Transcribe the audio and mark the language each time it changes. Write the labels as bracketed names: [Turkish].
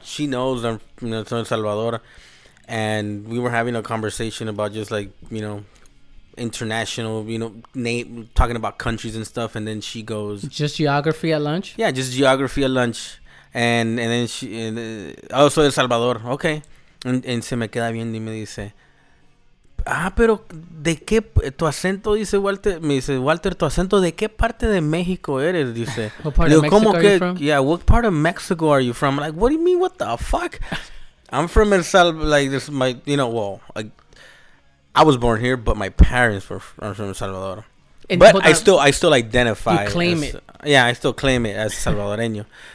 [English] She knows I'm from El Salvador. and we were having a conversation about just like, you know, international, you know, talking about countries and stuff. And then she goes, just geography at lunch? Yeah, just geography at lunch. And then she, and, [Spanish] soy El Salvador. [English] Okay. [Spanish] And se me queda viendo y me dice, ah, pero de qué, tu acento, dice Walter, me dice, Walter, tu acento, ¿de qué parte de México eres? Dice, [English] what part of Mexico are you from? Yeah, what part of Mexico are you from? I'm like, what do you mean, what the fuck? I'm from El Salvador, like, this is my, you know, well, I was born here, but my parents are from El Salvador. And but I still identify. You claim as, it. Yeah, I still claim it as salvadoreño.